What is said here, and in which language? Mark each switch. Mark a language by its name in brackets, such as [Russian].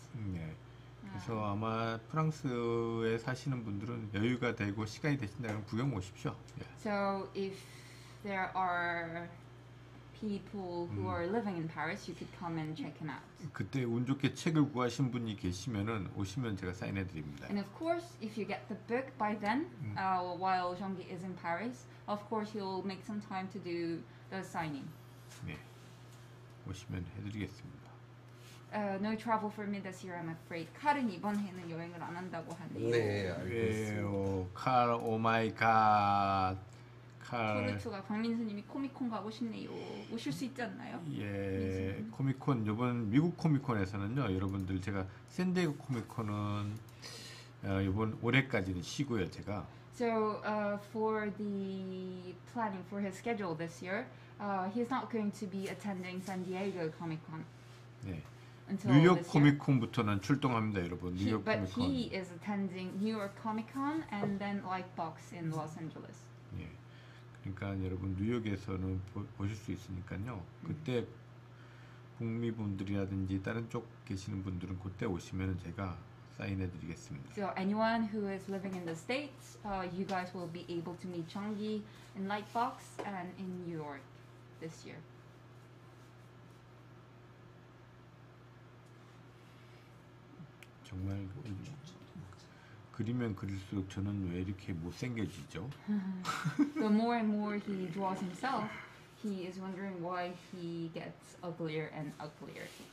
[Korean] 네. 그래서 아마 프랑스에 사시는 분들은 여유가 되고 시간이 되신다면 구경 오십시오. [English] Yeah. So if there are people who are living in Paris, you could come and check him out. [Korean] 그때 운 좋게 책을 구하신 분이 계시면은 오시면 제가 사인해 드립니다. [English] And of course, if you get the book by then, while Jeongi is in Paris, of course he'll make some time to do the signing. [Korean] 네, 오시면 해드리겠습니다. [English] No travel for me this year, I'm afraid. [Korean] 칼은 이번에는 여행을 안 한다고 하네요. 네, 알겠습니다. 칼, 오 마이 갓. 토르투가 강민수님이 코미콘 가고 싶네요. 오실 수 있지 않나요? 예, 민수님. 코미콘 이번 미국 코미콘에서는요. 여러분들 제가 샌디에고 코미콘은 이번 올해까지는 쉬고요. 제가. [English] So for the planning for his schedule this year, he's not going to be attending San Diego Comic-Con. [Korean] 네. 뉴욕 코미콘부터는 출동합니다, 여러분. 뉴욕 코미콘. [English] But he is attending New York Comic-Con and then Lightbox in Los Angeles. [Korean] 예. 그러니까 여러분 뉴욕에서는 보실 수 있으니까요. 그때 북미 분들이라든지 다른 쪽 계시는 분들은 그때 오시면 제가 사인해드리겠습니다. [English] So anyone who is living in the States, you guys will be able to meet Chonggi in Lightbox and in New York this year. [Korean] 정말 그리면 그릴수록 저는 왜 이렇게 못생겨지죠? [English] The more and more he draws himself, he is wondering why he gets uglier and uglier.